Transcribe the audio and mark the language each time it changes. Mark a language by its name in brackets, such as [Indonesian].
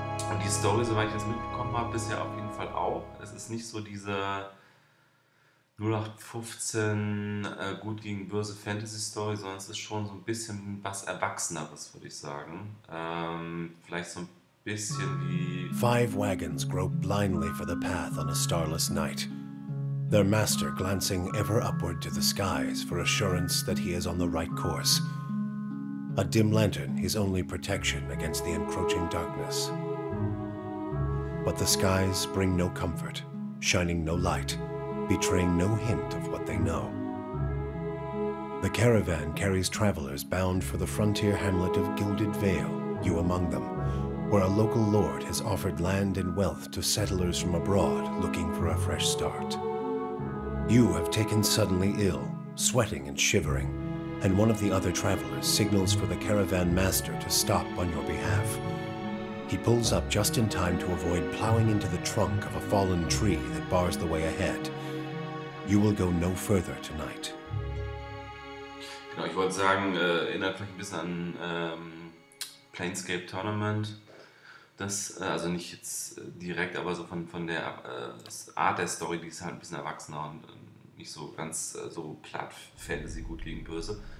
[German] Und die Story, soweit ich das mitbekommen habe, bisher auf jeden Fall auch. Es ist nicht so diese 0815 gut gegen böse Fantasy-Story, sondern es ist schon so ein bisschen was Erwachseneres, würde ich sagen. Vielleicht so ein bisschen wie. [English] Five wagons grope blindly for the path on a starless night, their master glancing ever upward to the skies for assurance that he is on the right course. A dim lantern his only protection against the encroaching darkness. But the skies bring no comfort, shining no light, betraying no hint of what they know. The caravan carries travelers bound for the frontier hamlet of Gilded Vale, you among them, where a local lord has offered land and wealth to settlers from abroad looking for a fresh start. You have taken suddenly ill, sweating and shivering, and one of the other travelers signals for the caravan master to stop on your behalf. He pulls up just in time to avoid plowing into the trunk of a fallen tree that bars the way ahead. You will go no further tonight. [German] Genau, ich wollte sagen, erinnert vielleicht ein bisschen an Planescape Tournament. Also nicht jetzt direkt, aber so von der Art der Story, die ist halt ein bisschen erwachsener und nicht so ganz so platt, Fantasy gut gegen böse.